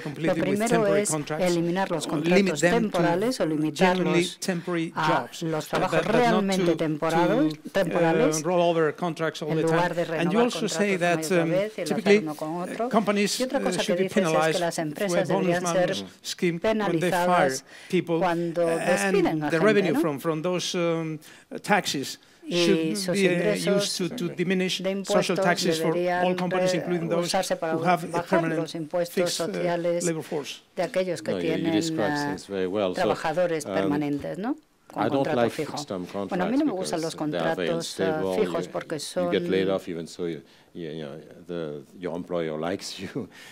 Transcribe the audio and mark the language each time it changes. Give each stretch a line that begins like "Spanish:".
Spanish: Lo primero es eliminar los contratos temporales o limitarlos a los trabajos realmente temporales en lugar de renovar contratos una y otra vez y lanzar uno con otro. Y otra cosa que dices es que las empresas deberían ser penalizadas cuando
English: and the revenue from those taxes should be used to diminish social taxes for all companies, including those who have a permanent fixed labor force.
Spanish: De aquellos que tienen trabajadores permanentes, ¿no? Con contrato fijo. Bueno, a mí no me gustan los contratos fijos porque son.
English: You get laid off even so your employer likes you.